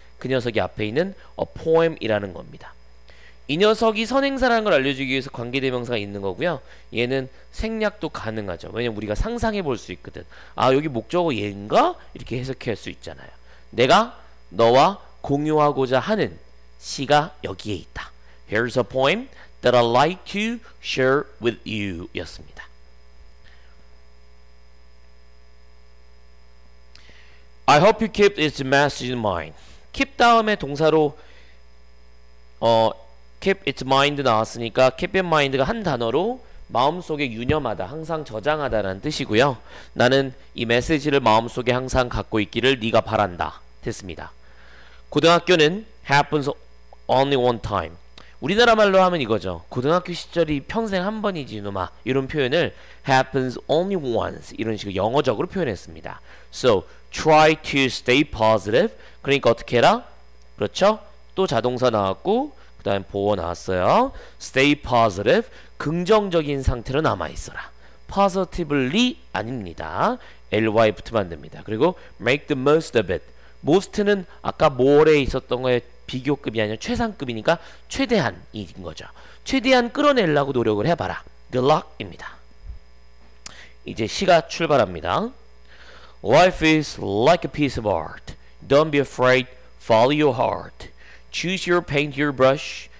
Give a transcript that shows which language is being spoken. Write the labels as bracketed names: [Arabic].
[Korean] 그 녀석이 앞에 있는 a poem이라는 겁니다. 이 녀석이 선행사라는 걸 알려주기 위해서 관계대명사가 있는 거고요. 얘는 생략도 가능하죠. 왜냐면 우리가 상상해 볼 수 있거든. 아 여기 목적어 얘인가? 이렇게 해석할 수 있잖아요. 내가 너와 공유하고자 하는 시가 여기에 있다. [English] Here's a poem that I'd like to share with you 였습니다. 'I hope you keep this message in mind.' [Korean] keep 다음에 동사로 keep its mind 나왔으니까 keep in mind가 한 단어로 마음속에 유념하다, 항상 저장하다라는 뜻이고요. 나는 이 메시지를 마음속에 항상 갖고 있기를 네가 바란다. 됐습니다. [English] 고등학교는 happens only one time. [Korean] 우리나라 말로 하면 이거죠. 고등학교 시절이 평생 한 번이지 이놈아. 이런 표현을 [English] happens only once [Korean] 이런 식으로 영어적으로 표현했습니다. [English] So try to stay positive. [Korean] 그러니까 어떻게 해라? 그렇죠? 또 자동사 나왔고 그 다음 보어 나왔어요. [English] Stay positive. [Korean] 긍정적인 상태로 남아있어라. Positively 아닙니다. ly 붙으면 안 됩니다. [English] 그리고 make the most of it. [Korean] most는 아까 more에 있었던 거에 비교급이 아니라 최상급이니까 최대한인 거죠. 최대한 끌어내려고 노력을 해봐라. [English] Good luck입니다. [Korean] 이제 시가 출발합니다. [English] Life is like a piece of art. Don't be afraid. Follow your heart. Choose your paint, your brush.